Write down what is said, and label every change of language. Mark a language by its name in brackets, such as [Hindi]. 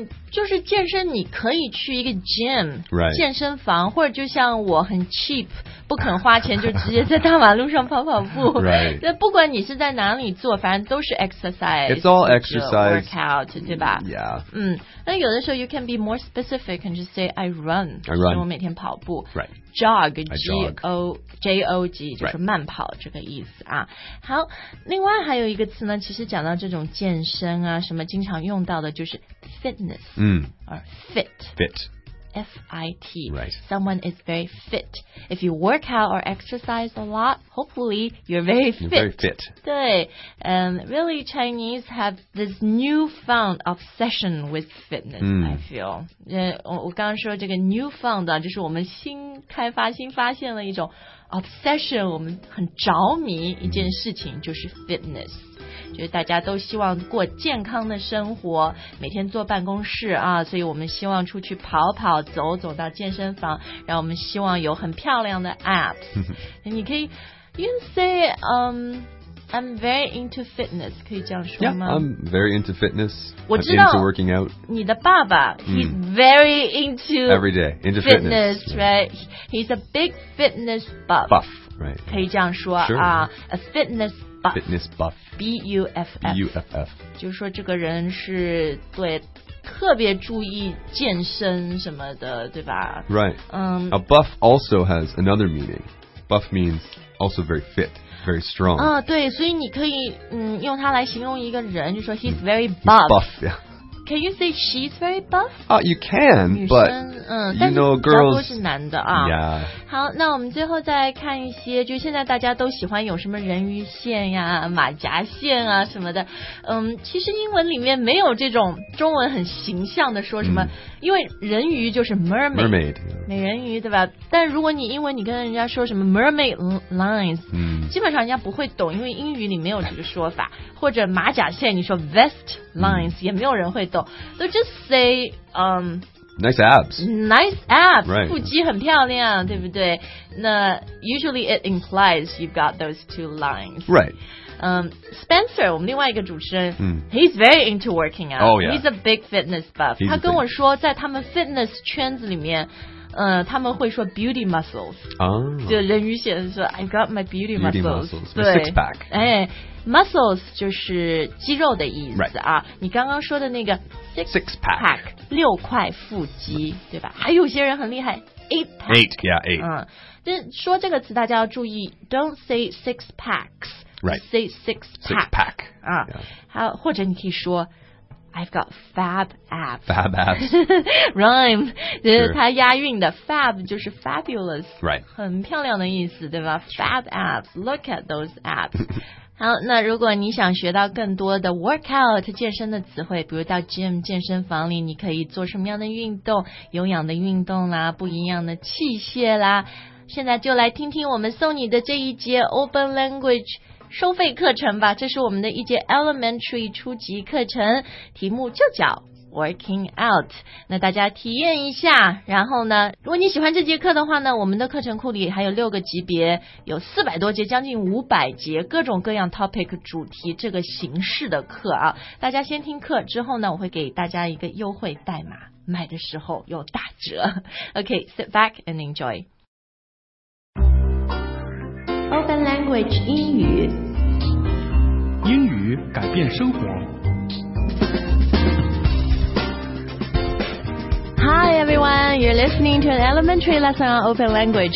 [Chinese] 就是健身，你可以去一个 gym、 [English] right. [Chinese] 健身房，或者就像我很 cheap 不肯花钱，就直接在大马路上跑跑步。 [English] Right. [Chinese] 那不管你是在哪里做，反正都是 exercise. [English] It's all exercise. [Chinese] Workout, 对吧 [English] ？Yeah. [Chinese] 那有的时候 [English] you can be more specific and just say I run. I run. [Chinese] 我每天跑步。 [English] Right. Jog, J-O-G, [Chinese] 就是慢跑这个意思啊。好，另外还有一个词呢，其实讲到这种健身啊，什么经常用到的就是 fitness, or fit. [English] Fit. F-I-T. Right. Someone is very fit. If you work out or exercise a lot, hopefully you're very fit. You're very fit. [Chinese] 对。 [English] Really, Chinese have this newfound obsession with fitness, I feel. [Chinese] 我刚刚说这个 newfound 啊，就是我们新开发新发现了一种 obsession 我们很着迷一件事情就是 fitness 就是大家都希望过健康的生活每天坐办公室啊所以我们希望出去跑跑走走到健身房然后我们希望有很漂亮的 apps 你可以 [English] you can say I'm very into fitness [Chinese] 可以这样说吗 [English] yeah, I'm very into fitness [Chinese] 我知道 [English] into working out. [Chinese] 你的爸爸 [English] He's very into Every day into fitness, fitness right? He's a big fitness buff Buff, right [Chinese] 可以这样说、 [English] sure. A fitness buff Fitness buff B-U-F-F B-U-F-F [Chinese] 就是说这个人是对特别注意健身什么的对吧 [English] Right、 A buff also has another meaning Buff means also very fitvery strong [Chinese] 对所以你可以用它来形容一个人就说 [English] he's very buff he's buff、yeah. Can you say she's very buff? You can, but you know girls... [Chinese] 但是比较多是男的啊。 [English] Yeah. [Chinese] 好，那我们最后再看一些，就现在大家都喜欢有什么人鱼线呀、马甲线啊什么的。其实英文里面没有这种中文很形象的说什么、因为人鱼就是 mermaid, 美人鱼对吧？但如果你英文你跟人家说什么 mermaid lines,、基本上人家不会懂，因为英语里没有这个说法。或者马甲线你说 vest lines,、也没有人会懂。 [English] So just say, nice abs. Nice abs. Right. [Chinese] 腹肌很漂亮对不对？ [English] 那 usually it implies you've got those two lines. Right. Spencer, [Chinese] 我们另外一个主持人、 [English] He's very into working out、He's a big fitness buff、 He's、 [Chinese] 他跟我说在他们 fitness 圈子里面、他们会说 beauty muscles、就人鱼线说 [English] I've got my beauty muscles my six pack、 [Chinese] Muscles 就是肌肉的意思、 [English] right. [Chinese] 啊。你刚刚说的那个 [English] six pack [Chinese] 六块腹肌、对吧？还有些人很厉害 [English] eight pack、 [Chinese] 嗯、说这个词大家要注意 [English] don't say six packs Right. Say six pack. Six pack.、 [Chinese] 好，或者你可以说 [English] I've got fab abs. Fab abs. Rhyme. [Chinese] 就是它押韵的 Fab 就是 fabulous. [English] Right. [Chinese] 很漂亮的意思对吧 [English] Fab abs. Look at those abs. [Chinese] 好，那如果你想学到更多的 workout 健身的词汇，比如到 gym 健身房里，你可以做什么样的运动，有氧的运动啦，不一样的器械啦，现在就来听听我们送你的这一节 Open Language收费课程吧，这是我们的一节 elementary 初级课程，题目就叫 working out。那大家体验一下，然后呢，如果你喜欢这节课的话呢，我们的课程库里还有六个级别，有400多节，将近500节，各种各样 topic 主题这个形式的课啊。大家先听课，之后呢，我会给大家一个优惠代码，买的时候有打折。 [English] Okay, sit back and enjoy. [Chinese] Open Language 英语，英语改变生活。 [English] Hi everyone, you're listening to an elementary lesson on Open Language.